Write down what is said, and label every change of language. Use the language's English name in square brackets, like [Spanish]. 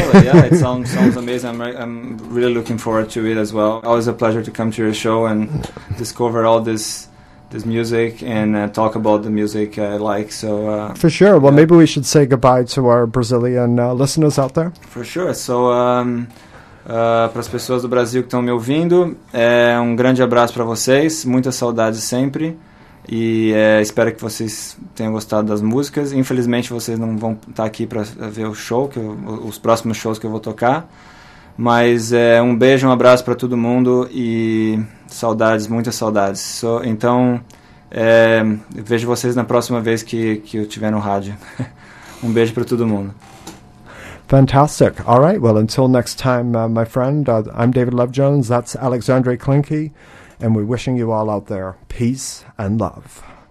[English] Totally, yeah, it sounds amazing. I'm really looking forward to it as well. Always a pleasure to come to your show and discover all this music and talk about the music I like. So for sure. Well, maybe we should say goodbye to our Brazilian listeners out there. For sure. [Portuguese] So para as pessoas do Brasil que estão me ouvindo, grande abraço para vocês. Muita saudade sempre. E espero que vocês tenham gostado das músicas. Infelizmente vocês não vão estar aqui para ver o show, os próximos shows que eu vou tocar. Mas um beijo, um abraço para todo mundo e saudades, muitas saudades. Então, vejo vocês na próxima vez que eu estiver no rádio. Um beijo para todo mundo. [English] Fantastic. All right, well, until next time, my friend, I'm David Love Jones, that's Alexandre Klinke, and we're wishing you all out there peace and love.